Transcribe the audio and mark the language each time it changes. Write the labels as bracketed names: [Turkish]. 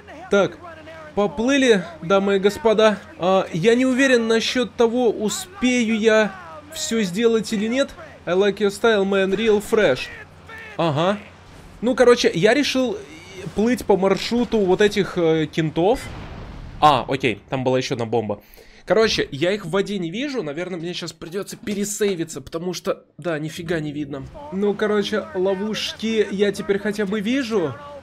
[Russian] Так, поплыли, дамы и господа. А, я не уверен насчет того, успею я все сделать или нет. [English] I like your style, man, real fresh. [Russian] Ага. Ну, короче, я решил плыть по маршруту вот этих кентов. А, окей, там была еще одна бомба. Короче, я их в воде не вижу. Наверное, мне сейчас придется пересейвиться, потому что, да, нифига не видно. Ну, короче, ловушки я теперь хотя бы вижу.